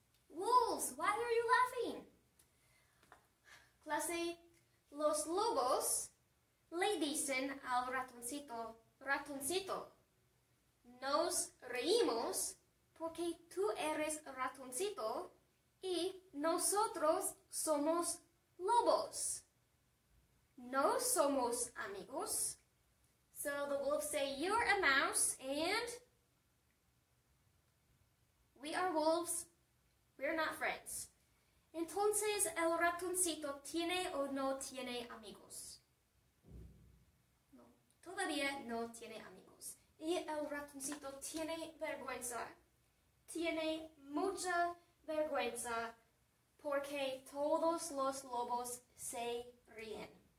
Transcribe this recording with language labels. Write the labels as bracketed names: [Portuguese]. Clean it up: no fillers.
[English] Wolves, why are you laughing? [Spanish] Clase, los lobos le dicen al ratoncito, ratoncito, nos reímos porque tú eres ratoncito y nosotros somos lobos. No somos amigos. [English] So the wolves say, you're a mouse and we are wolves, we're not friends. [Spanish] Entonces, ¿el ratoncito tiene o no tiene amigos? No, todavía no tiene amigos. Y el ratoncito tiene vergüenza. Tiene mucha vergüenza porque todos los lobos se ríen.